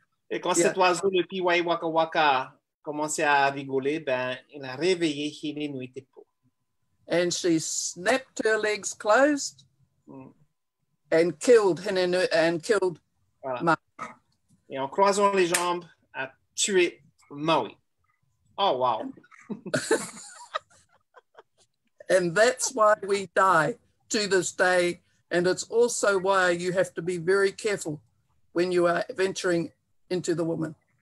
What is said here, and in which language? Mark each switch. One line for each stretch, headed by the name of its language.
French: Et quand cet oiseau, le piwai waka waka, commençait à rigoler, ben, il a réveillé Hironui-tepo.
English: And she snapped her legs closed and killed
French: voilà. Maui. Et en croisant les jambes, a tué Maui.
English: Oh, wow. And that's why we die to this day. And it's also why you have to be very careful when you are venturing into the woman.